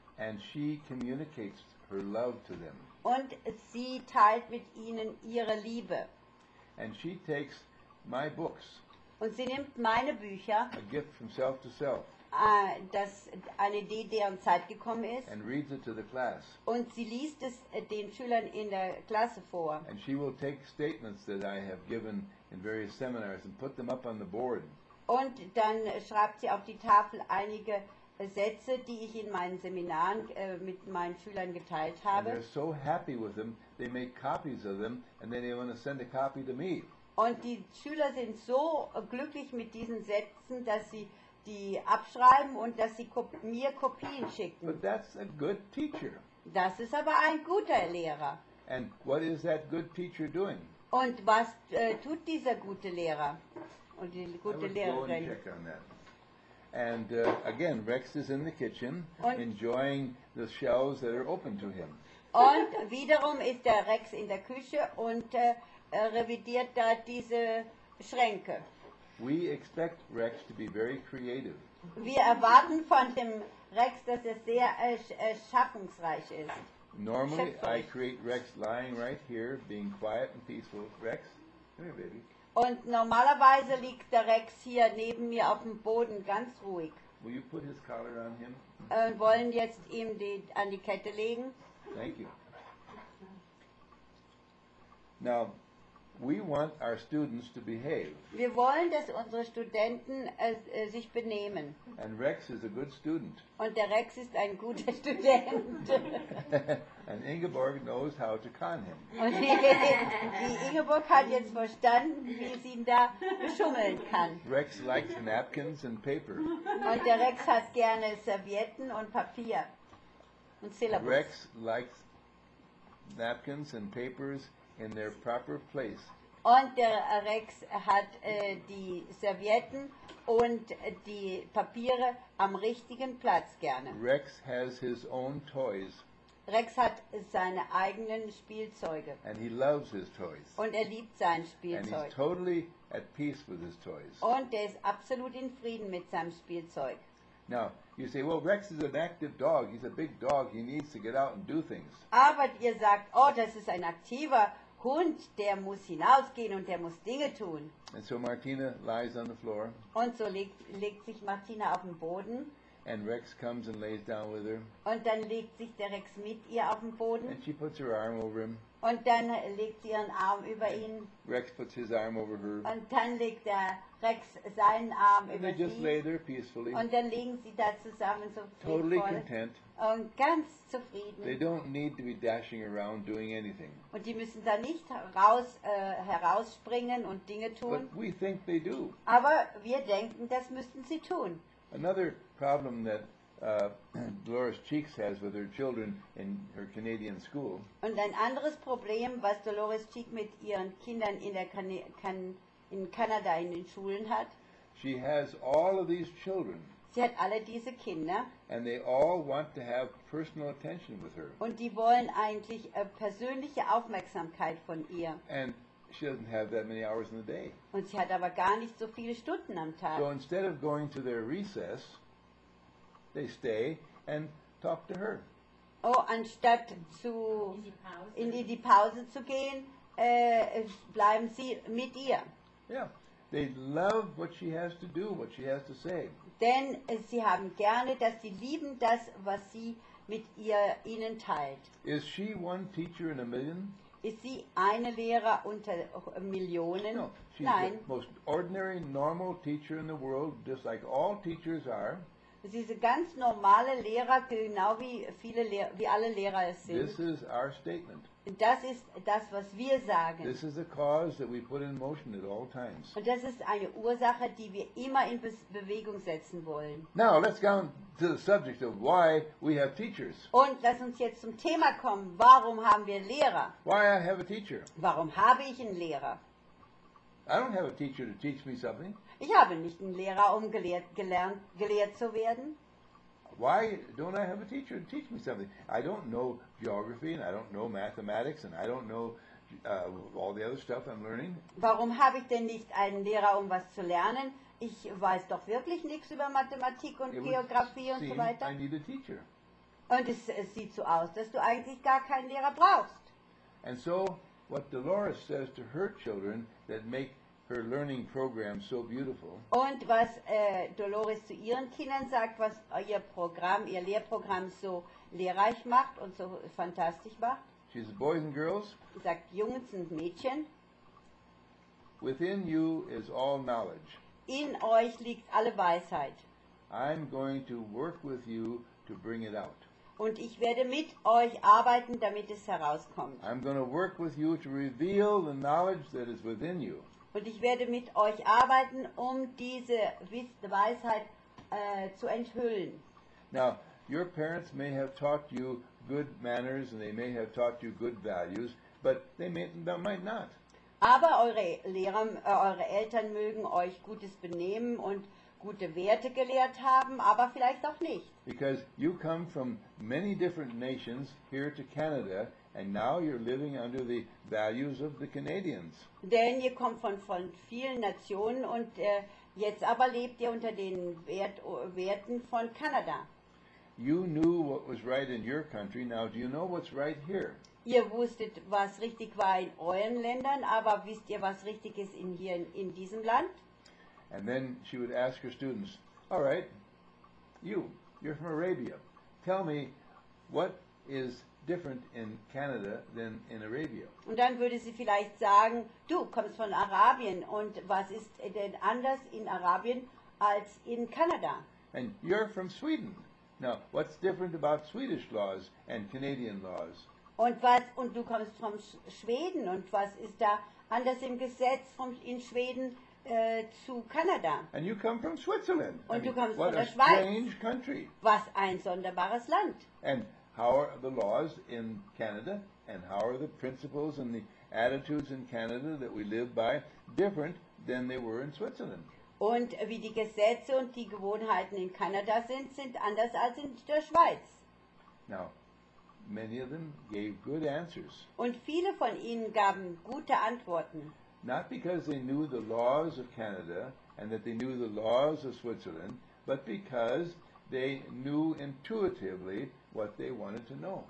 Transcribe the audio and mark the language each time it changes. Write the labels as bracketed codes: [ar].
[en] And she communicates her love to them. [de] Und sie teilt mit ihnen ihre Liebe. [en] And she takes my books. [de] Und sie nimmt meine Bücher. [en] A gift from self to self. [de] Das eine Idee, deren Zeit gekommen ist. [en] And reads it to the class. [de] Und sie liest es den Schülern in der Klasse vor. [en] And she will take statements that I have given in various seminars and put them up on the board. [de] Und dann schreibt sie auf die Tafel einige Sätze, die ich in meinen Seminaren mit meinen Schülern geteilt habe. [en] They're so happy with them, they make copies of them, and then they want to send a copy to me. [de] Und die Schüler sind so glücklich mit diesen Sätzen, dass sie die abschreiben und dass sie mir Kopien schicken. [en] But that's a good teacher. [de] Das ist aber ein guter Lehrer. [en] And what is that good teacher doing? [de] Und was tut dieser gute Lehrer und die gute Lehrerin? [en] And again, Rex is in the kitchen, [de] und [en] enjoying the shelves that are open to him. [de] Und wiederum ist der Rex in der Küche und revidiert da diese Schränke. [en] We expect Rex to be very creative. [de] Wir erwarten von dem Rex, dass er sehr schaffungsreich ist. [en] Normally, I create Rex lying right here, being quiet and peaceful. Rex, come here, baby. [de] Und normalerweise liegt der Rex hier neben mir auf dem Boden, ganz ruhig. [en] Will you put his collar on him? [de] Und wollen jetzt ihm die an die Kette legen. [en] Thank you. Now, we want our students to behave. [de] Wir wollen, dass unsere Studenten sich benehmen. [en] And Rex is a good student. [de] Und der Rex ist ein guter Student. [en] And Ingeborg knows how to con him. [de] Die Ingeborg hat jetzt verstanden, wie sie ihn da beschummeln kann. [en] Rex likes napkins and paper. [de] Und der Rex hat gerne Servietten und Papier und Syllabus. [en] Rex likes napkins and papers in their proper place. [de] Und der Rex hat die Servietten und die Papiere am richtigen Platz gerne. [en] Rex has his own toys. [de] Rex hat seine eigenen Spielzeuge. [en] And he loves his toys. [de] Und er liebt sein Spielzeug. [en] And he's totally at peace with his toys. [de] Und er ist absolut in Frieden mit seinem Spielzeug. [en] Now, you say, well, Rex is an active dog. He's a big dog. He needs to get out and do things. [de] Aber ihr sagt, oh, das ist ein aktiver Hund. Der muss hinausgehen und der muss Dinge tun. [en] And so Martina lies on the floor. [de] Und so legt sich Martina auf den Boden. [en] And Rex comes and lays down with her. [de] Und dann legt sich der Rex mit ihr auf den Boden. [en] And she puts her arm over him. [de] Und dann legt sie ihren Arm über ihn. [en] Rex puts his arm over her. [de] Und dann legt der Rex seinen Arm [en] and [de] über [en] they [de] sie. [en] Just lay there peacefully. [de] Und dann liegen sie da zusammen so friedvoll. [en] Totally content. [de] Und ganz zufrieden. [en] They don't need to be dashing around doing anything. [de] Und die müssen da nicht raus herausspringen und Dinge tun. [en] But we think they do. [de] Aber wir denken, das müssten sie tun. [en] Another problem that Dolores Cheeks has with her children in her Canadian school. [de] Und ein anderes Problem, was Dolores Cheeks mit ihren Kindern in der in Kanada in den Schulen hat. [en] She has all of these children. [de] Sie hat alle diese Kinder. [en] And they all want to have personal attention with her. [de] Und die wollen eigentlich persönliche Aufmerksamkeit von ihr. [en] And she doesn't have that many hours in the day. [de] Und sie hat aber gar nicht so viele Stunden am Tag. [en] So instead of going to their recess, they stay and talk to her. [de] Oh, anstatt zu in die Pause zu gehen, bleiben sie mit ihr. [en] Yeah, they love what she has to do, what she has to say. [de] Denn sie haben gerne, dass sie lieben das, was sie mit ihr ihnen teilt. [en] Is she one teacher in a million? [de] Ist sie eine Lehrer unter Millionen? [en] No, she's [de] Nein. [en] The most ordinary, normal teacher in the world, just like all teachers are. [de] Sie ist eine ganz normale Lehrer, genau wie viele wie alle Lehrer es sind. [en] This is our statement. [de] Das ist das, was wir sagen. [en] This is a cause that we put in motion at all times. [de] Und das ist eine Ursache, die wir immer in Bewegung setzen wollen. [en] Now let's go to the subject of why we have teachers. [de] Und lass uns jetzt zum Thema kommen. Warum haben wir Lehrer? [en] Why I have a teacher? [de] Warum habe ich einen Lehrer? [en] I don't have a teacher to teach me something. [de] Ich habe nicht einen Lehrer, um gelehrt zu werden. [en] Why don't I have a teacher to teach me something? I don't know geography and I don't know mathematics and I don't know all the other stuff I'm learning. [de] Warum habe ich denn nicht einen Lehrer, um was zu lernen? Ich weiß doch wirklich nichts über Mathematik und Geografie und so weiter. [en] I need a teacher. [de] Und es sieht so aus, dass du eigentlich gar keinen Lehrer brauchst. [en] And so what Dolores says to her children that make her learning program so beautiful. [de] Und was Dolores zu ihren Kindern sagt, was ihr Programm, ihr Lehrprogramm so lehrreich macht und so fantastisch macht. [en] She says, boys and girls, [de] sagt Jungs und Mädchen, [en] within you is all knowledge. [de] In euch liegt alle Weisheit. [en] I'm going to work with you to bring it out. [de] Und ich werde mit euch arbeiten, damit es herauskommt. [en] I'm going to work with you to reveal the knowledge that is within you. [de] Und ich werde mit euch arbeiten, um diese Weisheit zu enthüllen. [en] Now, your parents may have taught you good manners and they may have taught you good values, but they might not. [de] Aber eure Eltern mögen euch gutes Benehmen und gute Werte gelehrt haben, aber vielleicht auch nicht. [en] Because you come from many different nations here to Canada, and now you're living under the values of the Canadians. [de] Denn ihr kommt von vielen Nationen und jetzt aber lebt ihr unter den Werten von Kanada. [en] You knew what was right in your country, now do you know what's right here? [de] Ihr wusstet, was richtig war in euren Ländern, aber wisst ihr, was richtig ist in diesem Land? [en] And then she would ask her students, all right, you're from Arabia. Tell me, what is different in Canada than in Arabia? [de] Und dann würde sie vielleicht sagen, du kommst von Arabien und was ist denn anders in Arabien als in Kanada? [en] And you're from Sweden. Now, what's different about Swedish laws and Canadian laws? [de] Und du kommst von Schweden und was ist da anders im Gesetz in Schweden zu Kanada? [en] And you come from Switzerland. [de] Und du kommst von der Schweiz. [en] What a strange country. [de] Was ein sonderbares Land. [en] And how are the laws in Canada and how are the principles and the attitudes in Canada that we live by different than they were in Switzerland? [de] Und wie die Gesetze und die Gewohnheiten in Kanada sind anders als in der Schweiz. [en] Now, many of them gave good answers. [de] Und viele von ihnen gaben gute Antworten. [en] Not because they knew the laws of Canada and that they knew the laws of Switzerland, but because they knew intuitively what they wanted to know.